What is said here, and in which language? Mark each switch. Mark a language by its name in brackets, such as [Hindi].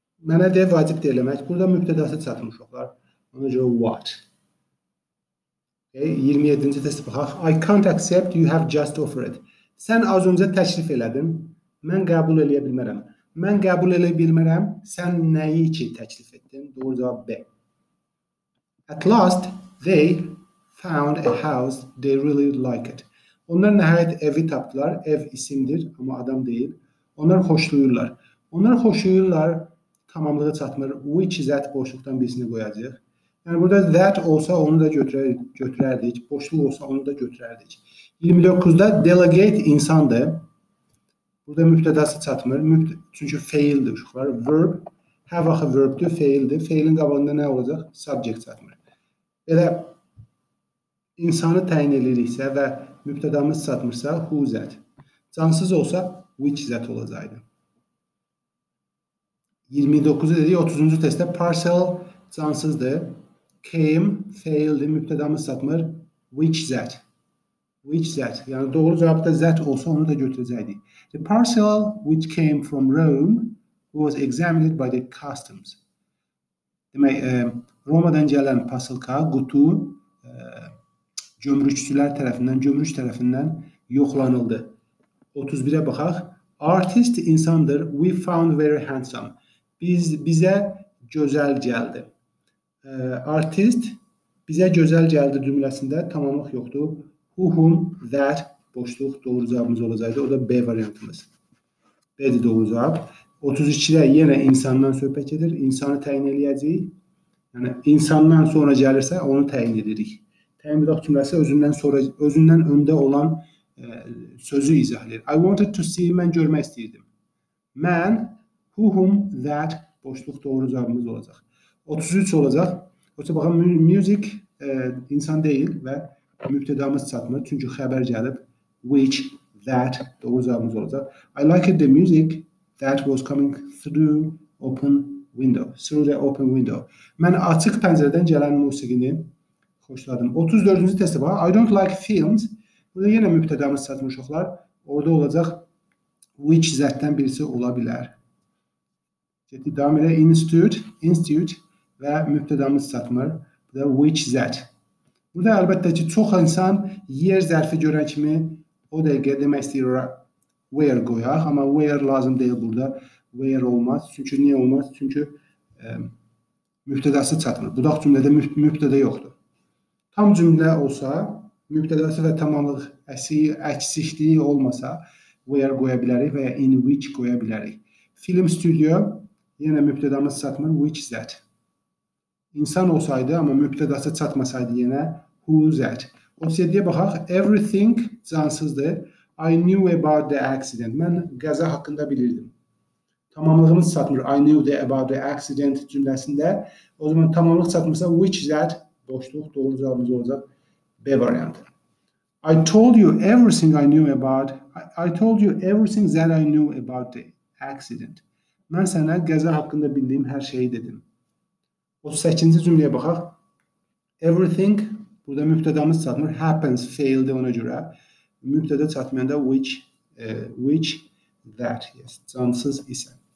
[Azerbaijani] Mənə də vacibdir eləmək. Burada mübtədası çatmış uşaqlar. Ona görə [English] what? Okay, [Azerbaijani] 27. testə baxaq. [English] I can't accept you have just offered. [Azerbaijani] Sən az öncə təklif elədin. Mən qəbul eləyə bilmərəm. Mən qəbul eləyə bilmərəm. Sən nəyi ki təklif etdin? Doğru cavab B. [English] At last, they found a house they really liked. [Azerbaijani] Onlar nəhayət evi tapdılar. Ev isimdir, amma adam deyil. Onlar xoşluyurlar. Onlar xoşluyurlar, tamamlığı çatmır. Which is at boşluqdan birisini qoyacaq. Yəni burada that olsa onu da götürərdik. Boşluq olsa onu da götürərdik. 29-da delegate insandır. Burada mübtədası çatmır. Çünki faildir uşaqlar. Verb. Hər vaxt verbdir, faildir. Failin qabağında nə olacaq? Subject çatmır. Belə insanı təyin ediriksə və mübtədamız çatmırsa [English] who is that? [Azerbaijani] Cansız olsa [English] which is that [Azerbaijani] olacaqdı. 29-cu dedik, 30-cu testdə parcel cansızdır. Came, faildir, mübtədamız çatmır. [English] Which is that? Which that? [Turkish] Yani doğru cevap da that olsa onu da götürecekti. [English] The parcel which came from Rome was examined by the customs. [Turkish] Demek Roma'dan gelen pasılka, kutu gümrükçüler tarafından, gümrük tarafından yoklanıldı. 31'e bakaq. Artist insandır. [English] We found very handsome. [Turkish] Bize güzel geldi. Artist bize güzel geldi cümlesinde tamamlık yoktu. [Azerbaijani] Who, whom, that boşluq doğru cavabımız olacaqdı. O da B variantımız. B-di doğru cavab. 32-də yenə insandan söhbət edir. İnsanı təyin eləyəcəyik. Yəni insandan sonra gəlirsə onu təyin edirik. Təyin bloq cümləsi özündən öndə olan sözü izah edir. [English] I wanted to see, [Azerbaijani] mən görmək istəyirdim. Mən, who, whom, that boşluq doğru cavabımız olacaq. 33 olacaq. Yoxsa baxın, music insan deyil və mübtədamız çatmır, çünki xəbər gəlib which, that, doğru cavabımız olacaq. [English] I liked the music that was coming through open window. Through the open window. [Azerbaijani] Mən açıq pəncərədən gələn musiqini xoşladım. 34-cü testə bax. [English] I don't like films. [Azerbaijani] Burada yenə mübtədamız çatmış uşaqlar. Orada olacaq which, that-dən birisi ola bilər. Getdik, devam edək. Institute və mübtədamız çatmır. Burada which, that. Burada əlbəttə ki, çox insan yer zərfi görən kimi o dəqiqə demək istəyir where qoyaq, amma where lazım deyil burada. Where olmaz. Çünki niyə olmaz? Çünki mübtədası çatmır. Budaq cümlədə mübtədə yoxdur. Tam cümlə olsa, mübtədası və tamamlıq əksikliyi olmasa where qoya bilərik və ya in which qoya bilərik. Film studio yenə mübtədamız çatmır. [English] Which is that? [Azerbaijani] İnsan olsaydı, amma mübtədası çatmasaydı yenə [English] who's that? [Azerbaijani] 37-yə baxaq. Everything cansızdır. [English] I knew about the accident. [Azerbaijani] Mən qəza haqqında bilirdim. Tamamlığımız çatmır. [English] I knew about the accident cümləsində. [Azerbaijani] O zaman tamamlıq çatmırsa [English] which is that? [Azerbaijani] Boşluq doğru cavabımız olacaq. B variantı. [English] I told you everything I knew about. I told you everything that I knew about the accident. [Azerbaijani] Mən sənə qəza haqqında bildiyim hər şeyi dedim. 38-ci cümləyə baxaq. Everything, burada mübtədamız çatmır, happens, failed ona görə. Mübtədə çatmayanda which, that, yes, cansız isə.